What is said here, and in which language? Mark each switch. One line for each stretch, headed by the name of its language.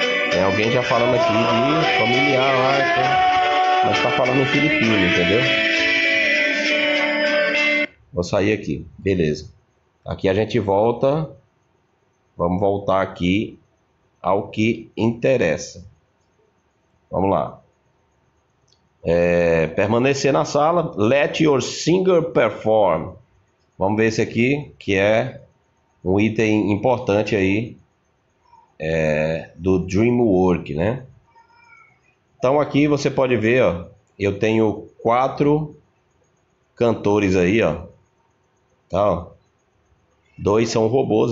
Portuguese: Tem alguém já falando aqui de familiar lá, mas tá falando em filipino, entendeu? Vou sair aqui, beleza. Aqui a gente volta. Vamos voltar aqui ao que interessa. Vamos lá. Permanecer na sala.
English: Let your singer perform.
Portuguese: Vamos ver esse aqui, que é um item importante aí do Dreamwork, né? Então aqui você pode ver, ó, eu tenho quatro cantores aí, ó. Tá, ó. Dois são robôs.